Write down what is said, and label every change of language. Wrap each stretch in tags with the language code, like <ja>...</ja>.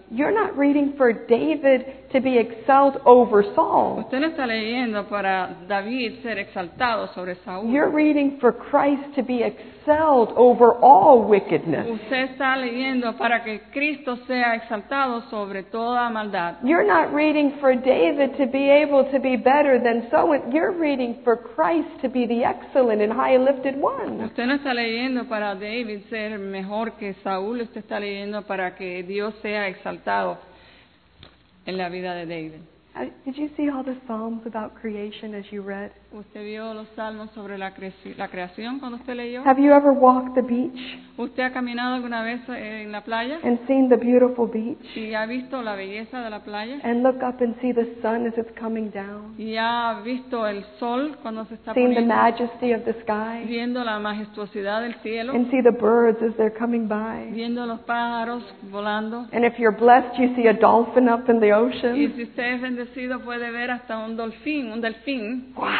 <en>You're not reading for David to be exalted over Saul.</en> <es>Usted no está leyendo para David ser exaltado sobre Saúl.</es> <en>You're reading for Christ to be excelled over all wickedness.</en> <es>Usted está leyendo para que Cristo sea exaltado sobre toda maldad.</es> <en>You're not reading for David to be able to be better than so. You're reading for Christ to be the excellent and high lifted one.</en> <es>Usted no está leyendo para David ser mejor que Saúl. Usted está leyendo para que Dios sea exaltado en la vida de David.</es> <en>Did you see all the Psalms about creation as you read?</en> <es>¿Usted vio los Salmos sobre la creación cuando usted leyó?</es> <en>Have you ever walked the beach?</en> <es>¿Usted ha caminado alguna vez en la playa?</es> <en>And seen the beautiful beach?</en> <es>¿Y ha visto la belleza de la playa?</es> <en>And look up and see the sun as it's coming down?</en> <es>¿Y ha visto el sol cuando se está</es> <en>seen</en> <es>poniendo?</es> <en>The majesty of the sky?</en> <es>¿Viendo la majestuosidad del cielo?</es> <en>And see the birds as they're coming by?</en> <es>¿Viendo los pájaros volando?</es> <en>And if you're blessed, you see a dolphin up in the ocean?</en> <es>¿Y si usted es bendecido puede ver hasta un delfín?</es>